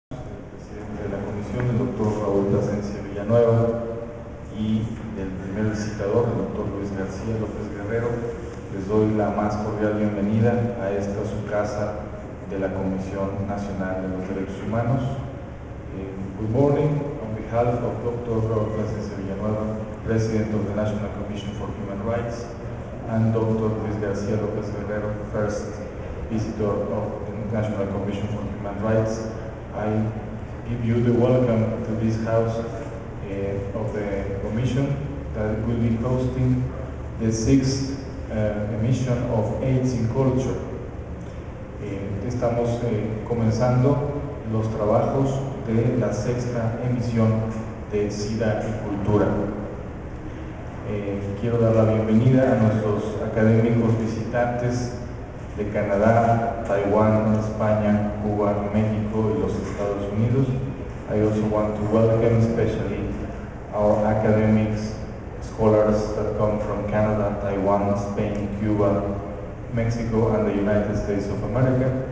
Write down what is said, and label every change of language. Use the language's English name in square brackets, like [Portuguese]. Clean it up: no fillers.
[Spanish] investigación del doctor Raúl Asensio Villanueva y del primer visitador, el doctor Luis García López Guerrero. Les doy la más cordial bienvenida a esta su casa de la Comisión Nacional de los Derechos Humanos. [English] Good morning, on behalf of Dr. Raúl Asensio Villanueva, President of the National Commission for Human Rights, and Dr. Luis García López Guerrero, first visitor of the National Commission for Human Rights, I give you the welcome to this house of the Commission that will be hosting the sixth emission of AIDS in Culture. [Spanish] Estamos comenzando los trabajos de la sexta emisión de SIDA y Cultura. Quiero dar la bienvenida a nuestros académicos visitantes de Canadá, Taiwán, España, Cuba, México y los Estados Unidos. [English] I also want to welcome especially our academics, scholars that come from Canada, Taiwan, Spain, Cuba, Mexico and the United States of America.